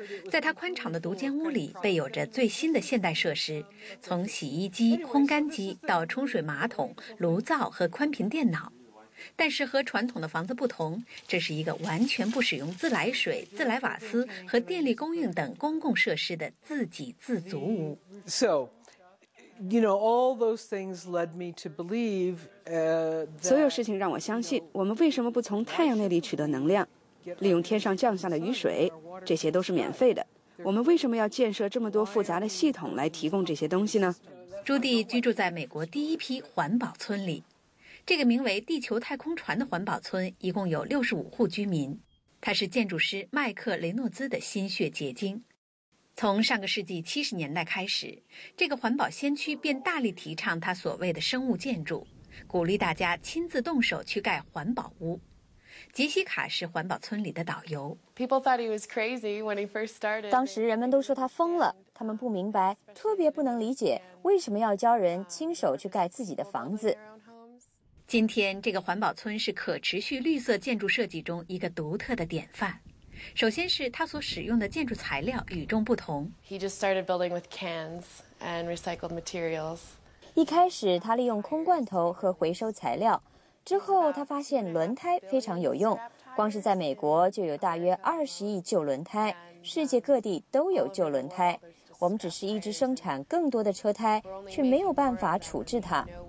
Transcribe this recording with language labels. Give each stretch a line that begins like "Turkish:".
Chinese: 在他宽敞的独间屋里，备有着最新的现代设施，从洗衣机、烘干机到冲水马桶、炉灶和宽频电脑。但是和传统的房子不同，这是一个完全不使用自来水、自来瓦斯和电力供应等公共设施的自给自足屋。
English: You know, all those things led me to believe.
Chinese: 所有事情让我相信，我们为什么不从太阳那里取得能量，利用天上降下的雨水，这些都是免费的。我们为什么要建设这么多复杂的系统来提供这些东西呢？朱迪居住在美国第一批环保村里，这个名为“地球太空船”的环保村一共有65户居民，他是建筑师麦克雷诺兹的心血结晶。从上个世纪70年代开始，这个环保先驱便大力提倡他所谓的生物建筑，鼓励大家亲自动手去盖环保屋。杰西卡是环保村里的导游。
English: People thought he was crazy when he first started.
Chinese: 当时人们都说他疯了，他们不明白，特别不能理解为什么要教人亲手去盖自己的房子。今天，这个环保村是可持续绿色建筑设计中一个独特的典范。首先是他所使用的建筑材料与众不同。
English: He just started building with cans and recycled materials.
Chinese: 一开始他利用空罐头和回收材料，之后他发现轮胎非常有用，光是在美国就有大约20亿旧轮胎，世界各地都有旧轮胎。我们只是一直生产更多的车胎，却没有办法处置它。